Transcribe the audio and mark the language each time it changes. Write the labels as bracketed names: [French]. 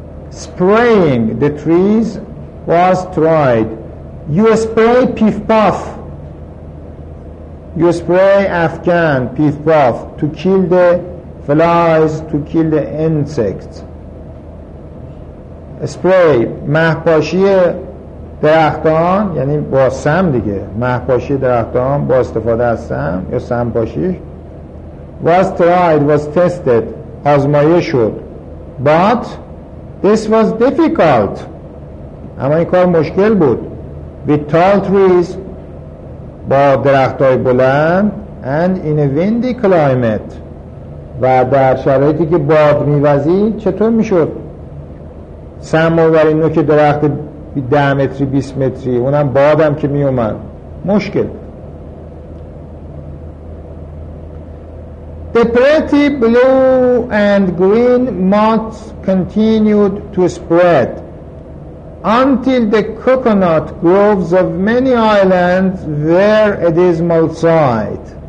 [English] Spraying the trees was tried. You spray piff puff. You spray afghan piff puff to kill the flies, to kill the insects. [Persian] Spray مهپاشی درختان یعنی با سم دیگه مهپاشی درختان با استفاده از سم یا سم پاشی [English] was tried, was tested, [Persian] آزمایش شد. [English] But this was difficult. [Persian] اما این کار مشکل بود. [English] With tall trees, [Persian] با درخت‌های بلند, [English] and in a windy climate. [Persian] و در شرایطی که باد می‌وزید چطور می‌شد؟ سم آوری نوک درخت 10 متری 20 متری، اونم بادم که می اومد، مشکل. [English] The pretty blue and green moths continued to spread until the coconut groves of many islands were a dismal sight.